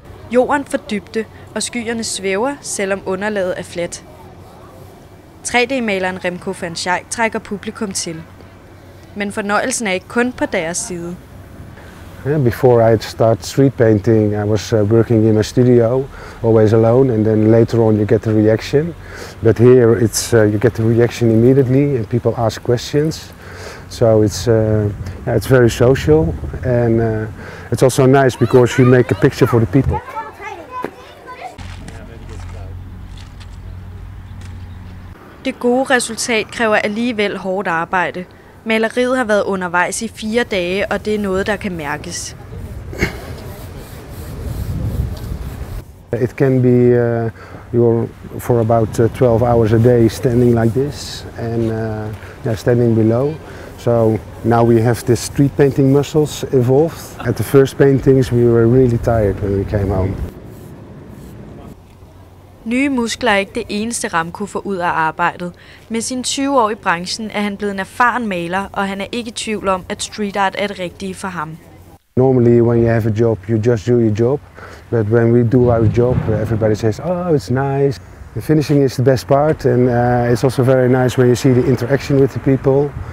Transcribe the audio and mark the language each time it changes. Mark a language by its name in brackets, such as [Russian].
[Danish] Jorden fordybte, og skyerne svæver, selvom underlaget er fladt. 3D-maleren Remco van Schaik trækker publikum til. Men fornøjelsen er ikke kun på deres side. [English] Yeah, before I start street painting, I was working in a studio, always alone, and then later on you get the reaction. But here it's you get the reaction immediately, and people ask questions. So it's very social, and it's also nice because you make a picture for the people. [Danish] Det gode resultat kræver alligevel hårdt arbejde. Maleriet har været undervejs i 4 dage, og det er noget, der kan mærkes. [English] It can be you're for about 12 hours a day standing like this and standing below. So now we have the street painting muscles evolved. At the first paintings we were really tired when we came home. [Danish] Nye muskler er ikke det eneste, Remco får ud af arbejdet. Med sine 20 år i branchen er han blevet en erfaren maler, og han er ikke i tvivl om, at street art er det rigtige for ham. [English] Normally when you have a job, you just do your job. But when we do our job, everybody says, oh, it's nice. The finishing is the best part, and it's also very nice when you see the interaction with the people.